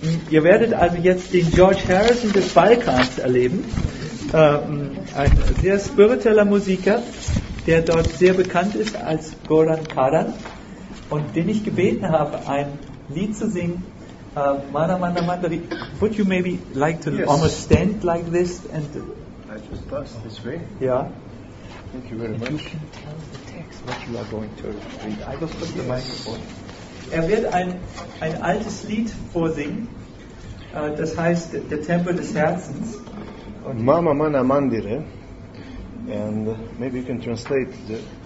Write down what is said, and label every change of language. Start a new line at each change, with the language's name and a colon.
German: Ihr werdet also jetzt den George Harrison des Balkans erleben. Ein sehr spiritueller Musiker, der dort sehr bekannt ist als Goran Karan und den ich gebeten habe, ein Lied zu singen.
English: Mana Mana Mandari, would you maybe like to almost stand like this? And I just passed this way. Yeah. Thank you very much. You can tell the text what you are going to read. I will put the microphone.
German: Er wird ein altes Lied vorsingen, das heißt Der Tempel des Herzens. Und Mama Mana Mandire.
English: And maybe you can translate the.